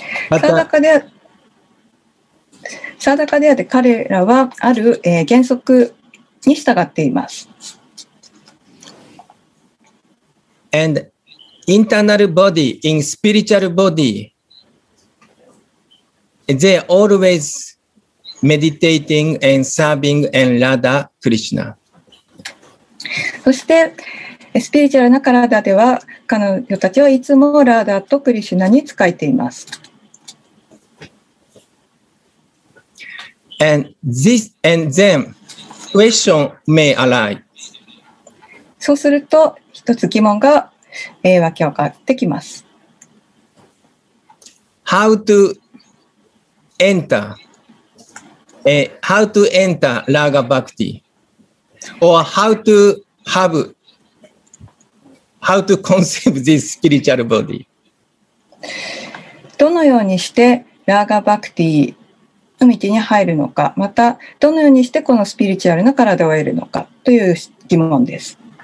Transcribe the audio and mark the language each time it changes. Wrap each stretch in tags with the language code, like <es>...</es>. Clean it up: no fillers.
<ja>Sadaka Deha, Sadaka Deha, で彼らはある、原則に従っています。</ja> <en>And internal body in spiritual body, they are always meditating and serving and Radha Krishna.</en> <ja>そして、スピリチュアルな体では彼女たちはいつもラーダとクリシュナに仕えています。</ja> <en>And this and then question may arise.</en> <ja>そうすると一つ疑問が湧き起こってきます。</ja> <en>How to enter? How to enter Raga Bhakti? Or how to have, how to conceive this spiritual body?</en> <ja>どのようにしてラーガバクティの道に入るのか、またどのようにしてこのスピリチュアルな体を得るのかという疑問です。</ja>